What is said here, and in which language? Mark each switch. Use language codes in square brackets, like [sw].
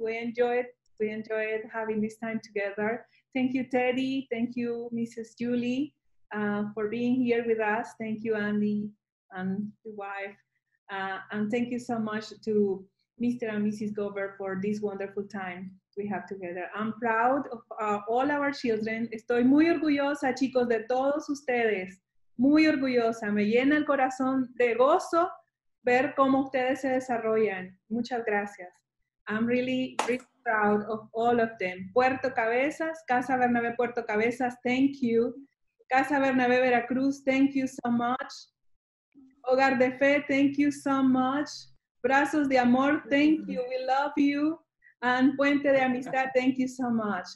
[en] We enjoyed having this time together. Thank you, Teddy. Thank you, Mrs. Julie, for being here with us. Thank you, Andy and your wife. And thank you so much to Mr. and Mrs. Gover for this wonderful time we have together. I'm proud of all our children. [es] Estoy muy orgullosa, chicos, de todos ustedes. Muy orgullosa. Me llena el corazón de gozo ver cómo ustedes se desarrollan. Muchas gracias. [en] I'm really, really proud of all of them. Puerto Cabezas, Casa Bernabé Puerto Cabezas, thank you. Casa Bernabé Veracruz, thank you so much. Hogar de Fe, thank you so much. Brazos de Amor, thank you, we love you. And Puente de Amistad, thank you so much.